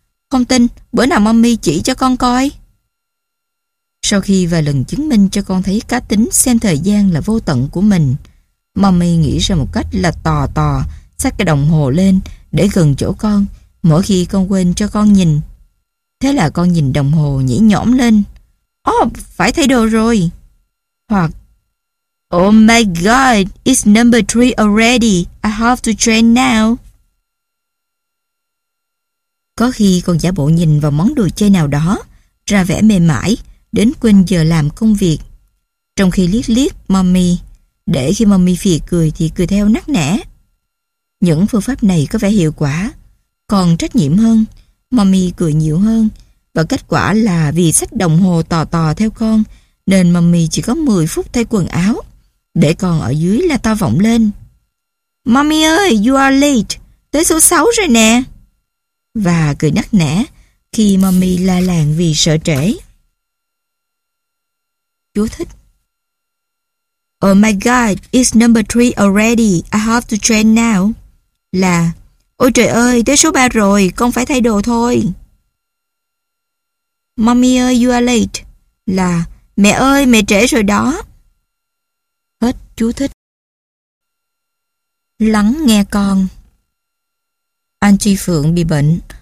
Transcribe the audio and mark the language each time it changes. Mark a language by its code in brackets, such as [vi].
[vi] Không tin, bữa nào Mommy chỉ cho con coi. Sau khi vài lần chứng minh cho con thấy cá tính xem thời gian là vô tận của mình, Mommy nghĩ ra một cách là tò tò xách cái đồng hồ lên để gần chỗ con mỗi khi con quên cho con nhìn. Thế là con nhìn đồng hồ nhảy nhõm lên. Ồ, oh, phải thay đồ rồi. [en] Hoặc Oh my God, it's number 3 already. I have to change now. [vi] Có khi con giả bộ nhìn vào món đồ chơi nào đó, ra vẻ mê mải, đến quên giờ làm công việc. Trong khi liếc liếc Mommy, để khi Mommy phì cười thì cười theo nắc nẻ. Những phương pháp này có vẻ hiệu quả. Còn trách nhiệm hơn, Mommy cười nhiều hơn. Và kết quả là vì xách đồng hồ tò tò theo con, nên Mommy chỉ có 10 phút thay quần áo, để con ở dưới la to vọng lên. Mommy ơi, you are late, tới số 6 rồi nè. Và cười nắc nẻ khi Mommy la làng vì sợ trễ. Chú thích. [en] Oh my God, it's number 3 already, I have to change now. [vi] Là, ôi trời ơi, tới số 3 rồi, con phải thay đồ thôi. Mommy ơi, you are late. Là, mẹ ơi, mẹ trễ rồi đó. Hết chú thích. Lắng nghe con. Anh Tri Phượng bị bệnh.